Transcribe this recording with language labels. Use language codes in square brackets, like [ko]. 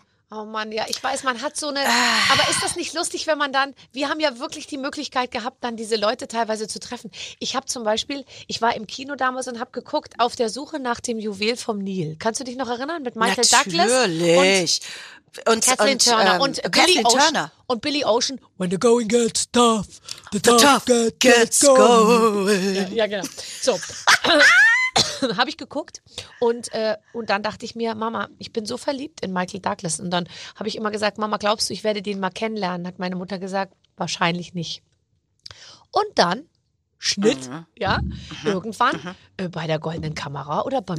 [de] Oh Mann, ja, ich weiß, man hat so eine, aber ist das nicht lustig, wenn man dann, wir haben ja wirklich die Möglichkeit gehabt, dann diese Leute teilweise zu treffen. Ich habe zum Beispiel, ich war im Kino damals und habe geguckt, Auf der Suche nach dem Juwel vom Nil. Kannst du dich noch erinnern mit Michael Natürlich. Douglas? Natürlich. Und Kathleen Turner. Und Billy Ocean. [en] When the going gets tough, the tough gets going. [de] Ja, genau. So. Habe ich geguckt und dann dachte ich mir, Mama, ich bin so verliebt in Michael Douglas. Und dann habe ich immer gesagt, Mama, glaubst du, ich werde den mal kennenlernen? Hat meine Mutter gesagt, wahrscheinlich nicht. Und dann, Schnitt, irgendwann bei der Goldenen Kamera oder beim